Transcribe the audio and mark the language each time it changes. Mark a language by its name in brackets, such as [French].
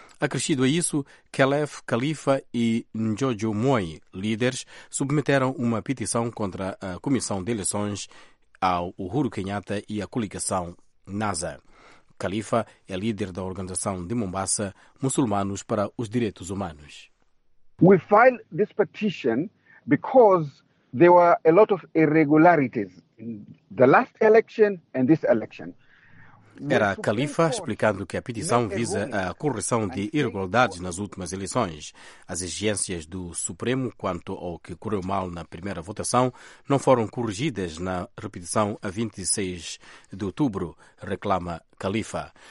[Portuguese] Acrescido a isso, Khelef Khalifa e Njojo Moi, líderes, submeteram uma petição contra a Comissão de Eleições ao Uhuru Kenyatta e à coligação NASA. Khalifa é líder da organização de Mombasa Muçulmanos para os Direitos Humanos. [English] We filed this petition because there were a lot of irregularities. [Portuguese] Era Khalifa explicando que a petição visa a correção de irregularidades nas últimas eleições. As exigências do Supremo quanto ao que correu mal na primeira votação não foram corrigidas na repetição a 26 de outubro, reclama Khalifa.